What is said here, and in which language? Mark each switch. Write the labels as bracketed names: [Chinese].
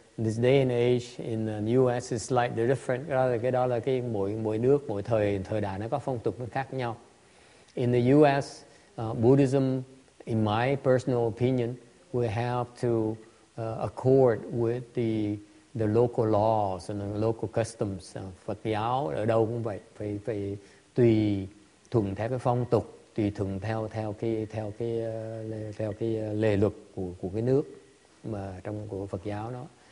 [English] This day and age in the U.S. is slightly different. [Vietnamese] Cái đó là mỗi nước, mỗi thời đại nó có phong tục nó khác nhau. [English] In the U.S., Buddhism, in my personal opinion, will have to accord with the local laws and the local customs. [Vietnamese] Phật giáo ở đâu cũng vậy, phải tùy thuận theo cái phong tục, tùy thuận theo cái lề luật của cái nước mà trong của Phật giáo đó.